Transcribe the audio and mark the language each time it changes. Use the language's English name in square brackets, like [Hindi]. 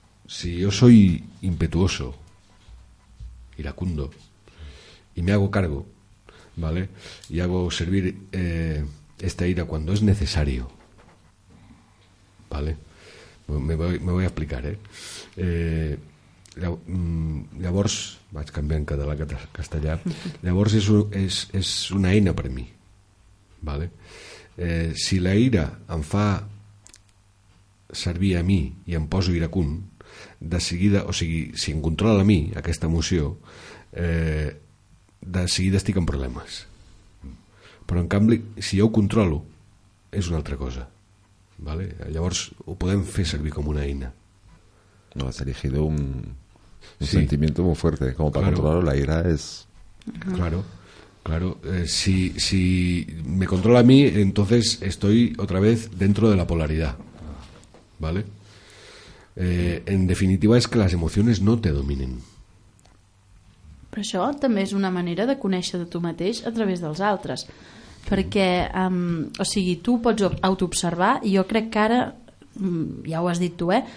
[Spanish] Si yo soy impetuoso, iracundo, y me hago cargo, ¿vale? Y hago servir esta ira cuando es necesario, ¿vale? Me voy a explicar, ¿eh? [Catalan] Llavors, vaig canviar en català a castellà, llavors és una eina per a mi, ¿vale? Si la ira em fa servir a mi i em poso iracund, de seguida, o sigui, si em controla a mi aquesta emoció, de seguida estic en problemes. Però en canvi, si jo ho controlo, és una altra cosa, ¿vale? Llavors ho podem fer servir com una eina. [Spanish] No, has elegido un sí. Sentimiento muy fuerte como para, claro, controlarlo, la ira es... Claro, claro. Si me controla a mi, entonces estoy otra vez dentro de la polaridad, ¿vale? [Catalan] En definitiva és que les emocions no [Spanish] te dominen. [Catalan] Però això també és una manera de conèixer de tu mateix a través dels altres. Sí. Perquè, o sigui, tu pots autoobservar i jo crec que ara, ja ho has dit tu, eh?